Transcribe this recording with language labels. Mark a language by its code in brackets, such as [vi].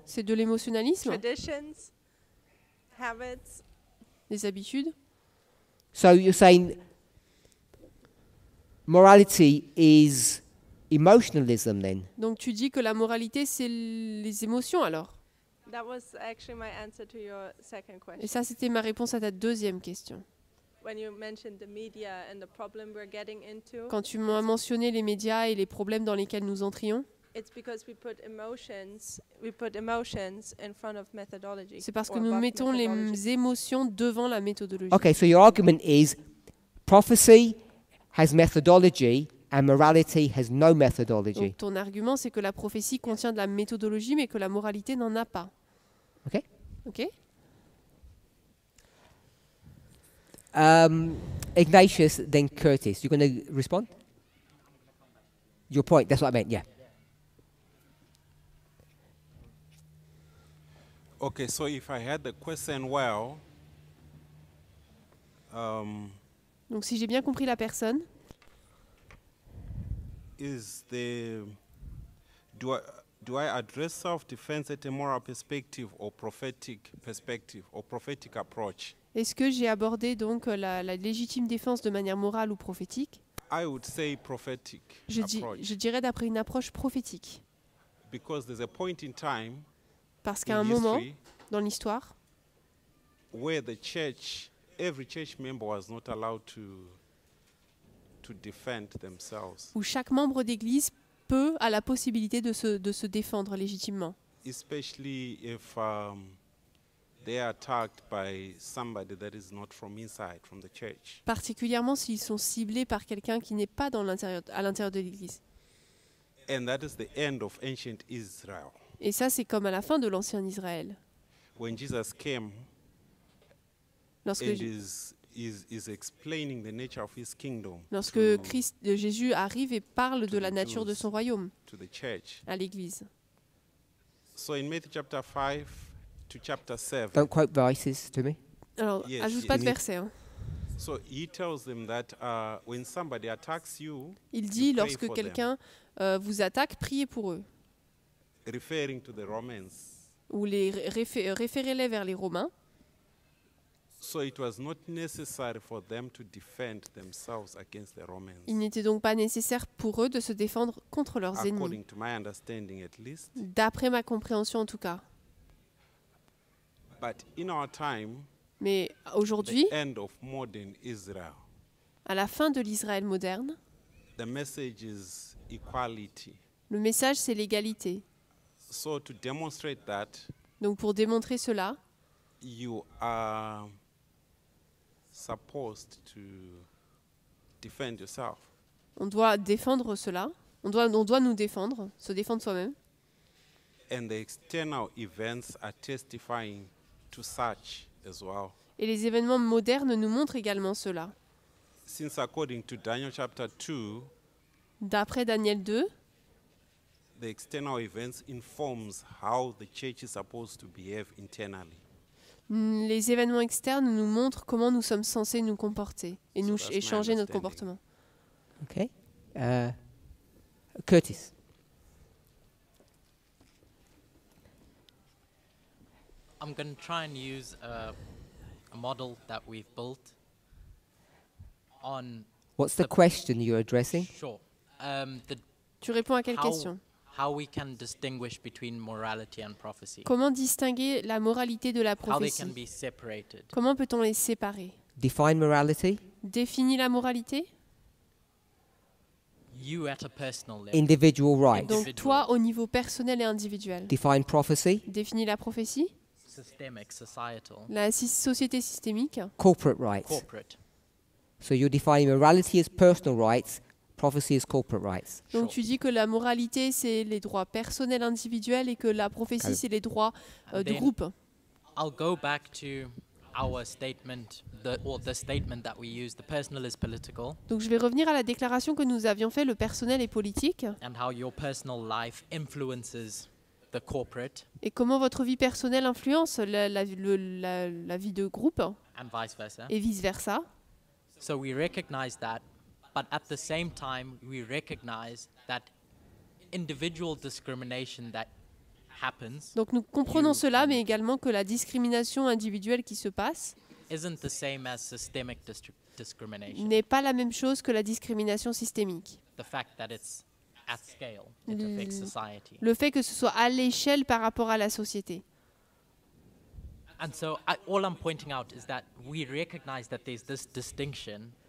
[fr] C'est de l'émotionnalisme. [en] Traditions, habits. [fr] Les habitudes. [en] So you're saying morality is emotionalism then? [fr] Donc tu dis que la moralité c'est les émotions alors? [en] That was actually my answer to your second question. [fr] Et ça c'était ma réponse à ta deuxième question. [en] When you mentioned the media and the problem we're getting into. [fr] Quand tu m'as mentionné les médias et les problèmes dans lesquels nous entrions? [en] It's because we put emotions in front of methodology. [fr] C'est parce que nous mettons les émotions devant la méthodologie. [en] Okay, so your argument is prophecy has methodology And morality has no methodology. [fr] Donc ton argument c'est que la prophétie contient de la méthodologie mais que la moralité n'en a pas. OK? OK? [en] Ignatius then Curtis, you're going to respond? Your point, that's what I meant. Yeah. Okay, so if I had the question well, [fr] donc si j'ai bien compris la personne, [en] is the do I address self-defense at a moral perspective or prophetic perspective or prophetic approach? [fr] Est-ce que j'ai abordé donc la légitime défense de manière morale ou prophétique? [en] I would say prophetic. [fr] Je dirais d'après une approche prophétique. [en] Because there's a point in time. [fr] Parce qu'à un moment dans l'histoire, [en] where the church, every church member was not allowed to defend themselves. [fr] Où chaque membre d'église peut a la possibilité de se défendre légitimement. [en] Especially if they are attacked by somebody that is not from inside, from the church. [fr] Particulièrement s'ils sont ciblés par quelqu'un qui n'est pas à l'intérieur de l'église. [en] And that is the end of ancient Israel. [fr] Et ça, c'est comme à la fin de l'ancien Israël. [en] When Jesus came, is explaining the nature of his kingdom. [fr] Lorsque Christ, Jésus arrive et parle de la nature de son royaume, [en] to the church, [fr] à l'église. [en] So in Matthew chapter 5 to chapter 7. Don't quote verses to me. [fr] Alors, yes, ajoute yes, pas yes. De verset. Hein. [en] So he tells them that when somebody attacks you, [fr] il dit you lorsque pray quelqu'un vous attaque, priez pour eux. [en] Referring to the Romans. [fr] Ou les référez-les vers les Romains. [en] So it was not necessary for them to defend themselves against the Romans. [fr] Il n'était donc pas nécessaire pour eux de se défendre contre leurs ennemis. [en] According to my understanding at least. [fr] D'après ma compréhension en tout cas. [en] But in our time, [fr] mais aujourd'hui, [en] the end of modern Israel, [fr] à la fin de l'Israël moderne, [en] the message is equality. [fr] Le message c'est l'égalité. [en] So to demonstrate that, [fr] donc pour démontrer cela, [en] you are supposed to defend yourself. [fr] On doit défendre cela. On doit nous défendre, se défendre soi-même. [en] And the external events are testifying to such as well. [fr] Et les événements modernes nous montrent également cela. [en] Since according to Daniel chapter 2, [fr] d'après Daniel 2, [en] the external events informs how the church is supposed to behave internally. [fr] Les événements externes nous montrent comment nous sommes censés nous comporter et nous changer notre comportement. [en] OK. Curtis. I'm going to try and use a model that we've built on. What's the question you're addressing? Sure. [fr] Tu réponds à quelle question? [en] How we can distinguish between morality and prophecy. [fr] Comment distinguer la moralité de la prophétie? [en] How they can be separated. [fr] Comment peut-on les séparer? [en] Define morality. [fr] Définis la moralité. [en] You at a personal level. Individual rights. [fr] Donc toi au niveau personnel et individuel. [en] Define prophecy. [fr] Définis la prophétie. [en] Systemic, societal. [fr] La société systémique. [en] Corporate rights. Corporate. So you're defining morality as personal rights. Prophecy is corporate rights. [fr] Donc tu dis que la moralité c'est les droits personnels individuels et que la prophétie c'est les droits du groupe. [en] I'll go back to our statement, the statement that we use, the personal is political. [fr] Donc je vais revenir à la déclaration que nous avions fait, le personnel est politique. [en] And how your personal life influences the corporate. [fr] Et comment votre vie personnelle influence la vie de groupe. [en] And vice versa. [fr] Et vice versa. [en] So we recognize that. But at the same time, we recognize that individual discrimination that happens. [fr] Donc nous comprenons cela, mais également que la discrimination individuelle qui se passe [en] isn't the same as systemic discrimination. [fr] N'est pas la même chose que la discrimination systémique. [en] The fact that it's at scale, it affects society. [fr] Le fait que ce soit à l'échelle par rapport à la société. [en] And so all I'm pointing out is that we recognize that there's this distinction.